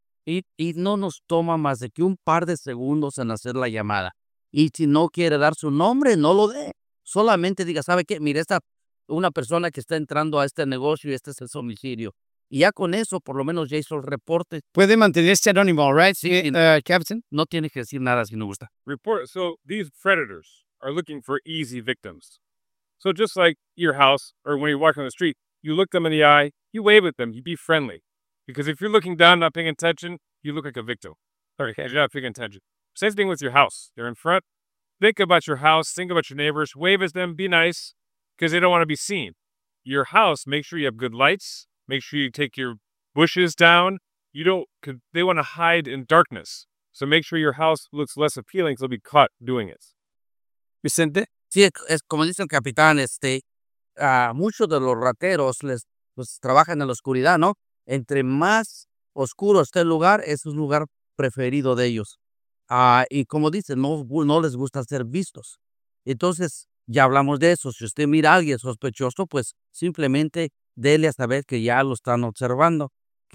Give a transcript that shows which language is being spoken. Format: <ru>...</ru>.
<es>Y no nos toma más de que un par de segundos en hacer la llamada. Y si no quiere dar su nombre, no lo dé. Solamente diga, ¿sabe qué? Mire, esta una persona que está entrando a este negocio y este es el homicidio. Y ya con eso, por lo menos ya hizo el reporte. Puede mantenerse anónimo,</es> <en>¿right?</en> <es>Sí,</es> <en>Captain.</en> <es>No tiene que decir nada si no gusta.</es> <en>Report. So these predators are looking for easy victims. So just like your house or when you walk on the street, you look them in the eye, you wave at them, you be friendly. Because if you're looking down, not paying attention, you look like a victim. Sorry, you're not paying attention. Same thing with your house. They're in front. Think about your house. Think about your neighbors. Wave at them. Be nice because they don't want to be seen. Your house, make sure you have good lights. Make sure you take your bushes down. They want to hide in darkness. So make sure your house looks less appealing because they'll be caught doing it. Vicente?</en> <es>Sí, es como dice el capitán, muchos de los rateros los trabajan en la oscuridad, ¿no? Entre más oscuro esté el lugar, es un lugar preferido de ellos. Y como dicen, no les gusta ser vistos. Entonces, ya hablamos de eso. Si usted mira a alguien sospechoso, pues simplemente dele a saber que ya lo están observando, ¿ok?</es>